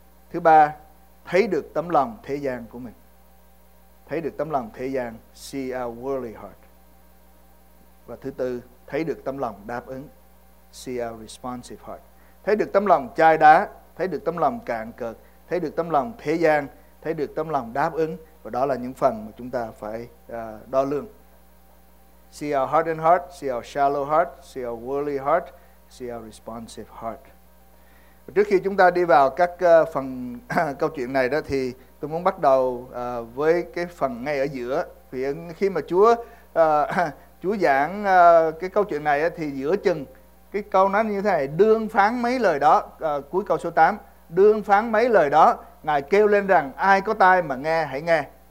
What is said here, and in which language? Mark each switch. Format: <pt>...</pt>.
<vi>Thứ ba, thấy được tấm lòng thế gian của mình. Thấy được tấm lòng thế gian,</vi> <en>see our worldly heart.</en> <vi>Và thứ tư, thấy được tấm lòng đáp ứng,</vi> <en>see our responsive heart.</en> <vi>Thấy được tấm lòng chai đá, thấy được tấm lòng cạn cợt, thấy được tấm lòng thế gian, thấy được tấm lòng đáp ứng. Và đó là những phần mà chúng ta phải đo lường.</vi> <en>See our hardened heart, see our shallow heart, see our worldly heart, see our responsive heart.</en> <vi>Và trước khi chúng ta đi vào các phần câu chuyện này đó, thì tôi muốn bắt đầu với cái phần ngay ở giữa. Vì khi mà Chúa giảng cái câu chuyện này thì giữa chừng cái câu nói như thế này, đương phán mấy lời đó, cuối câu số 8, đương phán mấy lời đó, Ngài kêu lên rằng ai có tai mà nghe hãy nghe.</vi>